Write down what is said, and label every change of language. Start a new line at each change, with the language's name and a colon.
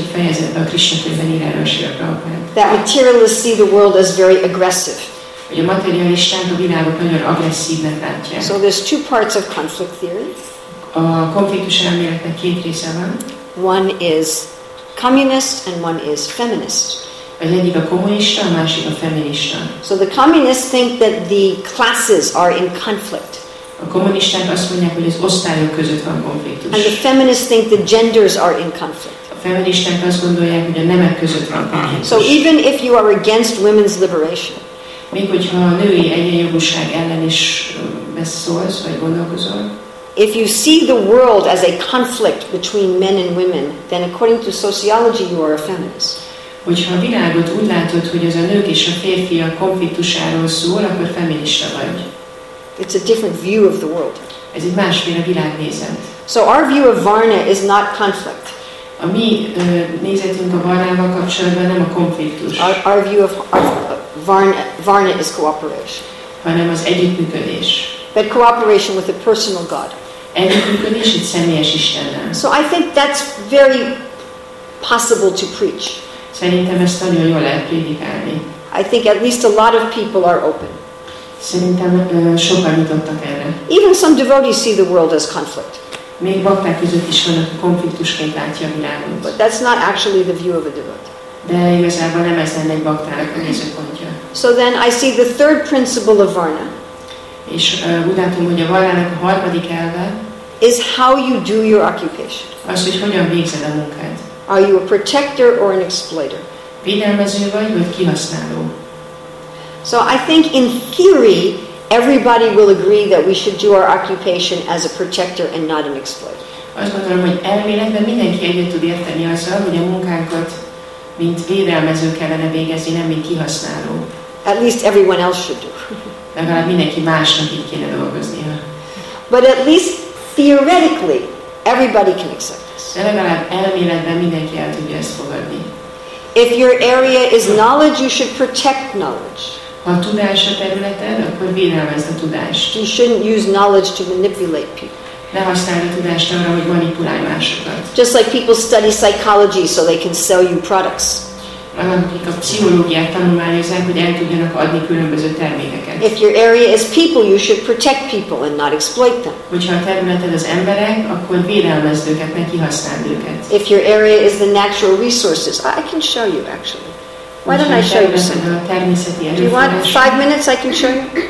Hungarian: fejezetben a Krishna könyvben ír erről Srila Prabhupada.
English: That materialists see the world as very aggressive.
Hungarian: Hogy a materialisták a világot nagyon agresszívnek látják.
English: So there's two parts of conflict theory.
Hungarian: A konfliktus elméletnek két része van.
English: One is communist and one is feminist.
Hungarian: Az egyik a kommunista, a másik a feminista.
English: So the communists think that the classes are in conflict.
Hungarian: A kommunisták azt mondják, hogy az osztályok között van konfliktus.
English: And the feminists think the genders are in conflict.
Hungarian: A feministák azt gondolják, hogy a nemek között van konfliktus.
English: So even if you are against women's liberation,
Hungarian: még hogyha a női egyenjogúság ellen is beszólsz, vagy gondolkozol,
English: if you see the world as a conflict between men and women, then according to sociology, you are a feminist.
Hungarian: Hogyha a világot úgy látod, hogy ez a nők és a férfiak konfliktusáról szól, akkor feminista vagy.
English: It's a different view of the world.
Hungarian: Ez egy másféle világnézet.
English: So our view of Varna is not conflict.
Hungarian: A mi nézetünk a Varnával kapcsolatban nem a konfliktus.
English: Our view of Varna is cooperation.
Hungarian: Hanem az együttműködés.
English: But cooperation with a personal God.
Hungarian: Együttműködés egy személyes Istennel.
English: So I think that's very possible to preach.
Hungarian: Szerintem ezt nagyon jól lehet prédikálni.
English: I think at least a lot of people are open.
Hungarian: Szerintem sokan nyitottak erre.
English: Even some devotees see the world as conflict.
Hungarian: Még bakták között is vannak, konfliktusként látja a világot.
English: But that's not actually the view of a devotee.
Hungarian: De igazából nem ez lenne egy bakták a nézőpontja.
English: So then I see the third principle of Varna.
Hungarian: És úgy látom, hogy a Varnának a harmadik elve
English: is how you do your occupation.
Hungarian: Az, hogy hogyan végzed a munkát.
English: Are you a protector or an exploiter?
Hungarian: Védelmező vagy, vagy kihasználó?
English: So I think in theory everybody will agree that we should do our occupation as a protector and not an exploiter.
Hungarian: Azt gondolom, hogy elméletben mindenki együtt tud érteni azzal, hogy a munkánkat mint védelmező kellene végezni, nem mint kihasználó.
English: At least everyone else should do.
Hungarian: Legalább mindenki másnak így kéne dolgoznia.
English: But at least theoretically everybody can accept this.
Hungarian: De legalább elméletben mindenki el tudja ezt fogadni.
English: If your area is knowledge, you should protect knowledge.
Hungarian: Ha a tudás a területed, akkor védelmezd a tudást.
English: You shouldn't use knowledge to manipulate people.
Hungarian: Ne használj a tudást arra, hogy manipulálj másokat.
English: Just like people study psychology so they can sell you products.
Hungarian: Akik a pszichológiát tanulmányozzák, hogy el tudjanak adni különböző termékeket.
English: If your area is people, you should protect people and not exploit them.
Hungarian: Hogyha a területed az emberek, akkor védelmezd őket, ne kihasználd őket.
English: If your area is the natural resources, I can show you actually. Why don't I show you something? Do you want 5 minutes? I can show you.